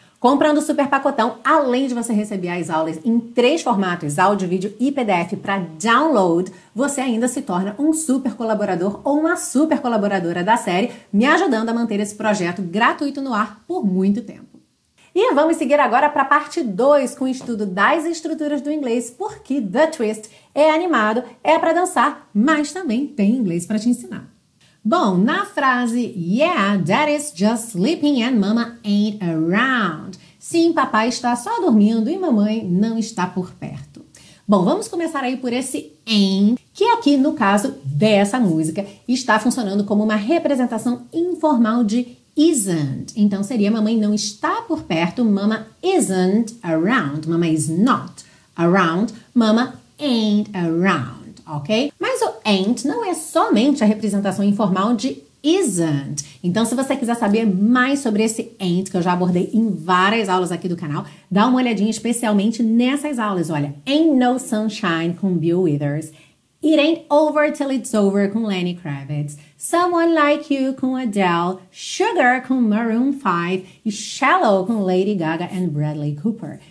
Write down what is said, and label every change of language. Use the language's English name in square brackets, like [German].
[Portuguese] Comprando o super pacotão, além de você receber as aulas em 3 formatos, áudio, vídeo e PDF para download, você ainda se torna um super colaborador ou uma super colaboradora da série, me ajudando a manter esse projeto gratuito no ar por muito tempo. E vamos seguir agora para a parte 2 com o estudo das estruturas do inglês, porque The Twist é animado, é para dançar, mas também tem inglês para te ensinar. Bom, na frase, [English] yeah, daddy's just sleeping and mama ain't around. [Portuguese] Sim, papai está só dormindo e mamãe não está por perto. Bom, vamos começar aí por esse ain't, que aqui no caso dessa música está funcionando como uma representação informal de isn't. Então seria mamãe não está por perto, [English] mama isn't around. Mama is not around, mama ain't around. Ok? [Portuguese] Mas o ain't não é somente a representação informal de isn't. Então, se você quiser saber mais sobre esse ain't, que eu já abordei em várias aulas aqui do canal, dá uma olhadinha especialmente nessas aulas. Olha, ain't no sunshine com Bill Withers, it ain't over till it's over com Lenny Kravitz, someone like you com Adele, sugar com Maroon 5 e shallow com Lady Gaga and Bradley Cooper.